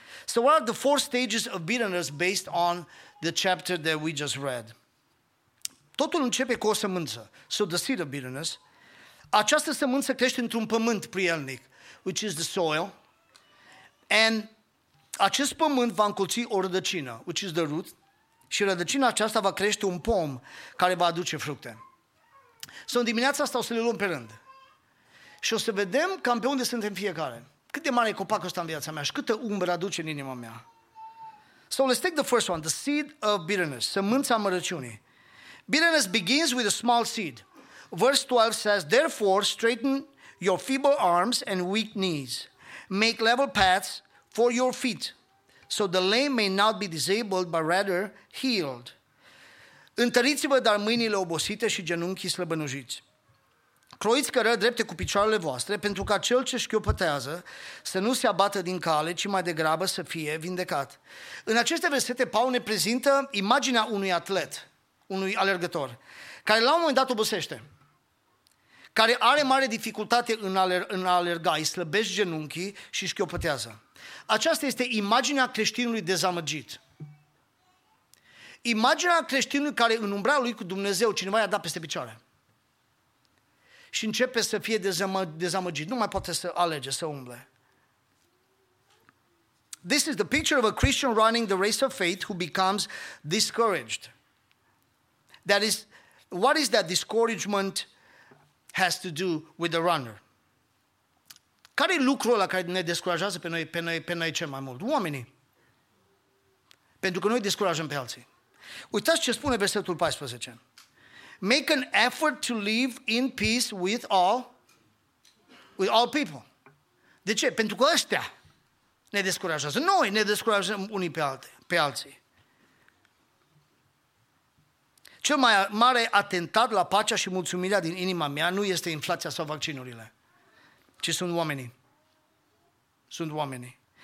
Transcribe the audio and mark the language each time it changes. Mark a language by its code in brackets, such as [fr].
[en] So what are the four stages of bitterness based on the chapter that we just read? [ro] Totul începe cu o sămânță. [en] So the seed of bitterness. [ro] Această sămânță crește într-un pământ prielnic, [en] which is the soil. [ro] And acest pământ va încolți o rădăcină, [en] which is the root. [ro] Și rădăcina aceasta va crește un pom care va aduce fructe. So în dimineața asta o să le luăm pe rând. Și o să vedem cam pe unde suntem fiecare. Cât de mare e copacul ăsta în viața mea și câtă umbră aduce în inima mea. [en] So let's take the first one, the seed of bitterness, [ro] sămânța amărăciunii. [en] Bitterness begins with a small seed. Verse 12 says, therefore, straighten your feeble arms and weak knees. Make level paths for your feet, so the lame may not be disabled, but rather healed. [ro] Întăriți-vă dar mâinile obosite și genunchii slăbănujiți. Croiți cărări drepte cu picioarele voastre, pentru ca cel ce șchiopătează să nu se abată din cale, ci mai degrabă să fie vindecat. În aceste versete, Paul ne prezintă imaginea unui atlet, unui alergător, care la un moment dat obosește. care are mare dificultate în a alerga, îi slăbește genunchii și șchiopătează. Aceasta este imaginea creștinului dezamăgit. Imaginea creștinului care în umbra lui cu Dumnezeu cineva i-a dat peste picioare. Și începe să fie dezamăgit. Nu mai poate să alege, să umble. [en] This is the picture of a Christian running the race of faith who becomes discouraged. That is, what is that discouragement has to do with the runner? [ro] Care e lucrul ăla care ne descurajează pe noi cel mai mult? Oamenii. Pentru că noi descurajăm pe alții. Uitați ce spune versetul 14. [en] Make an effort to live in peace with all people. [ro] De ce? Pentru că ăștia ne descurajează. Noi ne descurajăm unii pe alții. Cel mai mare atentat la pacea și mulțumirea din inima mea nu este inflația sau vaccinurile, ci sunt oamenii. Sunt oamenii.